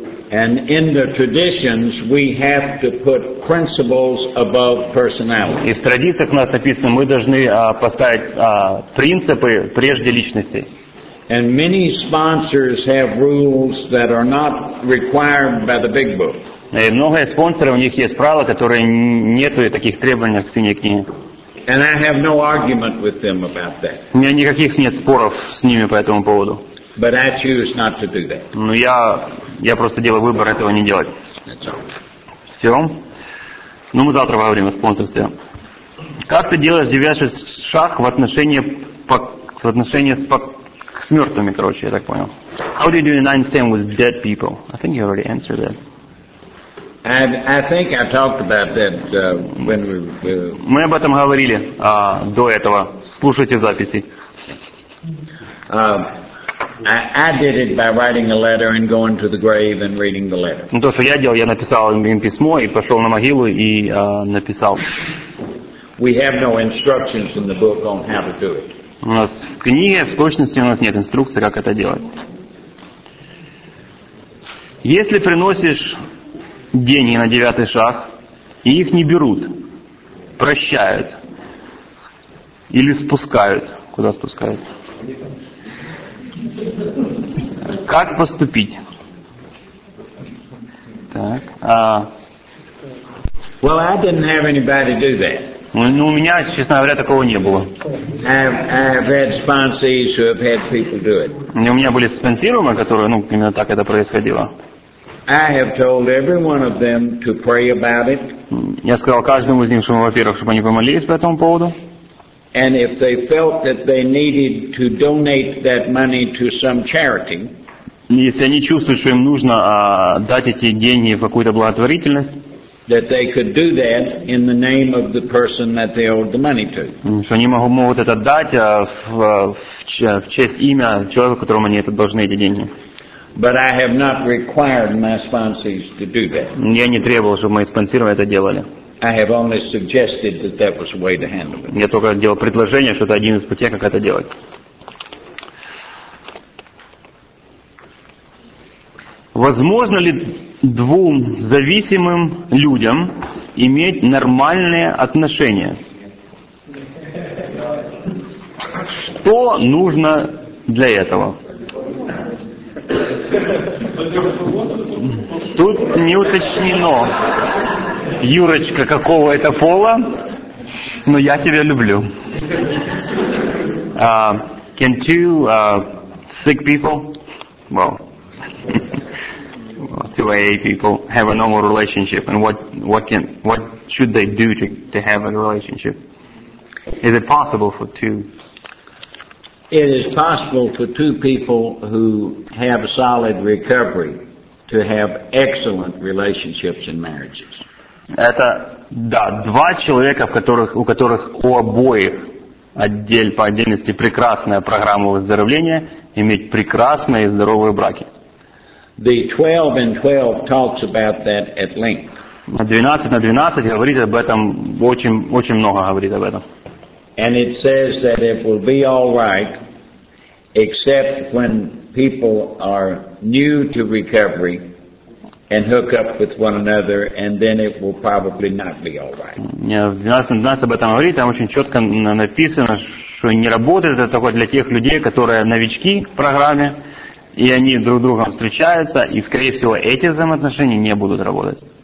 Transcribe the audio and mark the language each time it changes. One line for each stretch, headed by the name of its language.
English: And in the traditions, we have to put principles above personality.
Russian: И в традициях у нас написано, мы должны поставить принципы прежде личности.
English: And many sponsors have rules that are not required by the big book.
Russian: И многие спонсоры, у них есть правила, которые нету таких требований в синей книге.
English: And I have no argument with them about that.
Russian: У меня никаких нет споров с ними по этому поводу.
English: But I choose not to do that.
Russian: Но я просто делаю выбор этого не делать.
English: That's all.
Russian: Все. Ну, мы завтра поговорим о спонсорстве. Как ты делаешь девятый шаг с мертвыми, короче, я так понял.
English: How do you do the ninth thing with dead people? I think you already answered that. I think I talked about that when we.
Russian: Мы об этом говорили до этого. Слушайте записи.
English: I did it by writing a letter and going to the grave and reading the letter.
Russian: Ну, то, что я делал, я написал им письмо и пошел на могилу и написал.
English: We have no instructions in the book on how to do it.
Russian: У нас в книге в точности у нас нет инструкции, как это делать. Если приносишь деньги на девятый шаг, и их не берут, прощают или спускают, куда спускают. Как поступить? Так.
English: Well, I didn't have anybody do that.
Russian: Ну, у меня, честно говоря, такого не было.
English: I've had sponsees who have had people do it.
Russian: У меня были спонсируемые, которые, ну, именно так это происходило.
English: I have told every one of them to pray about it.
Russian: Я сказал каждому из них, что, во-первых, чтобы они помолились по этому поводу.
English: And if they felt that they needed to donate that money to some charity.
Russian: Если они чувствуют, что им нужно дать эти деньги в какую-то благотворительность.
English: That they could do that in the name of the person that they owed the money to.
Russian: Что они могут это дать в честь имя человека, которому они это должны эти деньги.
English: But I have not required my sponsees to do that.
Russian: Я не требовал, чтобы мои спонсоры это делали.
English: I have only suggested that that was a way to handle it.
Russian: Я только делал предложение, что это один из путей, как это делать. Возможно ли двум зависимым людям иметь нормальные отношения? Что нужно для этого? Тут не уточнено, Юрочка, какого это пола, но я тебя люблю.
English: Can two sick people? Well, two AA people have a normal relationship, and what should they do to have a relationship? Is it possible for two? It is possible for two people who have solid recovery to have excellent relationships in marriages.
Russian: Это да, два человека, у которых у обоих по отдельности прекрасная программа выздоровления, иметь прекрасные и здоровые браки.
English: The 12 and 12 talks about that at length.
Russian: 12 на 12 говорит об этом, очень, очень много говорит об этом.
English: And it says that it will be all right, except when people are new to recovery and hook up with one another, and then it will probably not be all right.
Russian: В 12 на 12 об этом говорит, там очень четко написано, что не работает это такое для тех людей, которые новички в программе. И они друг с другом встречаются, и, скорее всего, эти взаимоотношения не будут работать.